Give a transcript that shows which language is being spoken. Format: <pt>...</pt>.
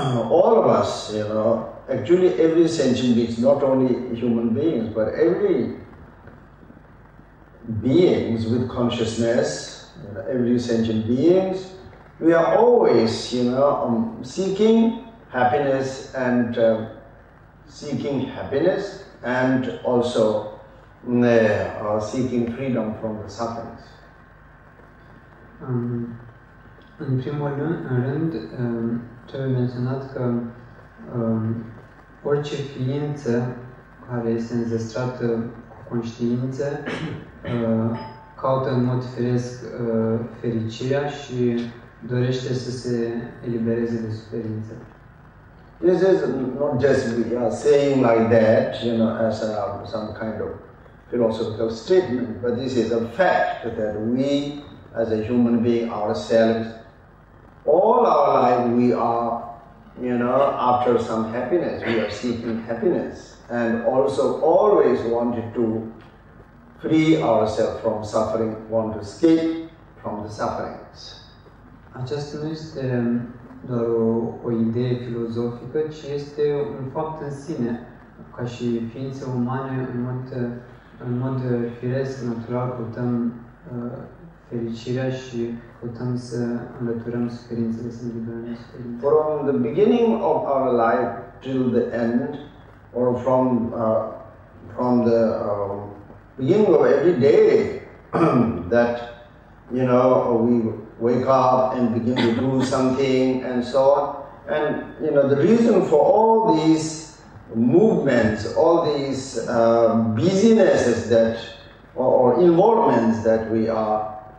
<en>all of us, you know, actually every sentient being, not only human beings, but every beings with consciousness, you know, every sentient beings, we are always, you know, seeking happiness and seeking freedom from the sufferings.</en> <ro>În primul rând, trebuie menționat că orice ființă care este înzestrată cu conștiință caută în mod firesc fericirea și dorește să se elibereze de suferință.</ro> <en>This is not just we are saying like that, you know, as a, some kind of philosophical statement, but this is a fact that we, as a human being ourselves, all our life we are, you know, after some happiness, we are seeking happiness, and also always wanted to free ourselves from suffering, want to escape from the sufferings.</en> <ro>Această nu este doar o idee filozofică, ci este un fapt în sine, ca și ființe umane, în mod firesc, natural, căutăm fericirea și căutăm să înlăturăm suferințele, să îndibărăm suferințele.</ro> <en>From the beginning of our life till the end, or from the beginning of every day that, you know, we wake up and begin to do something and so on, and, you know, the reason for all these movements, all these businesses that or involvements that we are,</en>